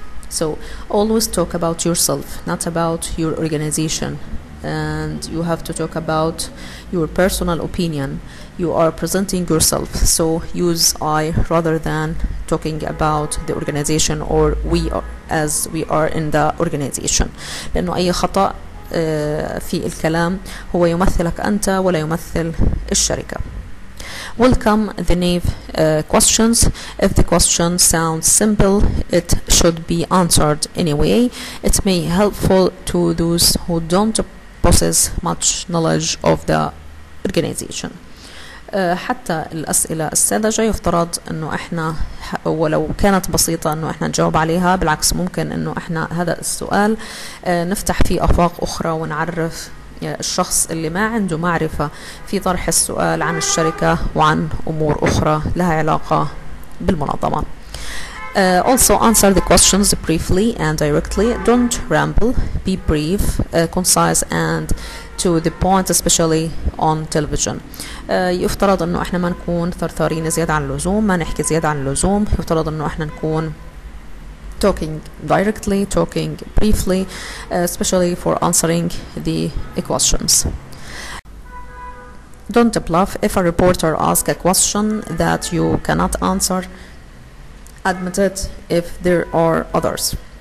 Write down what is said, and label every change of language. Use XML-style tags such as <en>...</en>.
<en>So always talk about yourself, not about your organization. And you have to talk about your personal opinion. You are presenting yourself, so use I rather than talking about the organization or we are, as we are in the organization.</en> <ar>لأنه أي خطأ في الكلام هو يمثلك أنت ولا يمثل الشركة.</ar> <en>Welcome the naive questions. If the question sounds simple, it should be answered anyway. It may be helpful to those who don't possess much knowledge of the organization.</en> <ar>حتى الأسئلة الساذجة يفترض أنه إحنا ولو كانت بسيطة أنه إحنا نجاوب عليها. بالعكس ممكن أنه إحنا هذا السؤال نفتح فيه أفاق أخرى ونعرف الشخص اللي ما عنده معرفة في طرح السؤال عن الشركة وعن أمور أخرى لها علاقة بالمنظمة.</ar> <en>Also answer the questions briefly and directly. Don't ramble. Be brief, concise and to the point, especially on television.</en> <ar>يفترض أنه إحنا ما نكون ثرثارين زيادة عن اللزوم, ما نحكي زيادة عن اللزوم. يفترض أنه إحنا نكون</ar> <en>talking directly, talking briefly, especially for answering the questions. Don't bluff. If a reporter asks a question that you cannot answer, admit it if there are others.</en>